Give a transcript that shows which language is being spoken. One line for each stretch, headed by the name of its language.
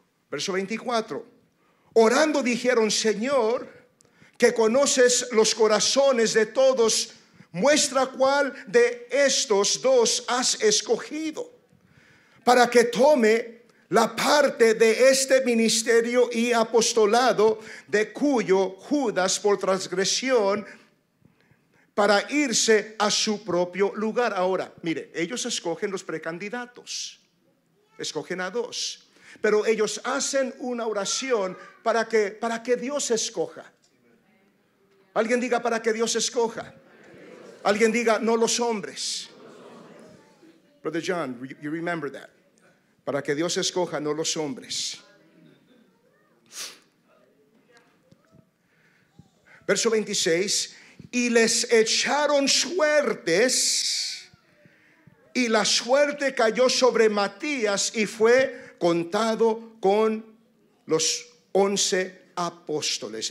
Spanish: Verso 24. Orando dijeron: Señor, que conoces los corazones de todos, muestra cuál de estos dos has escogido para que tome la parte de este ministerio y apostolado, de cuyo Judas por transgresión para irse a su propio lugar. Ahora, mire, ellos escogen los precandidatos. escogen a dos. Pero ellos hacen una oración para que Dios escoja. Alguien diga, para que Dios escoja. Alguien diga, no los hombres.
English: Brother John, you remember that.
Spanish: Para que Dios escoja, no los hombres. Verso 26. Y les echaron suertes, y la suerte cayó sobre Matías, y fue contado con los 11 apóstoles.